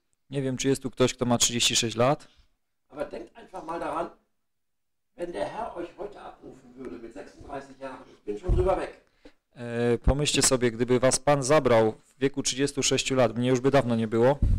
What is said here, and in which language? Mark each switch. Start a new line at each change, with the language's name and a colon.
Polish: Nie wiem, czy jest tu ktoś, kto ma 36 lat.
German: Ale denkt einfach mal daran, wenn der Herr euch heute abrufen würde mit 36 Jahren.
Polish: Pomyślcie sobie, gdyby was Pan zabrał w wieku 36 lat, mnie już by dawno nie było.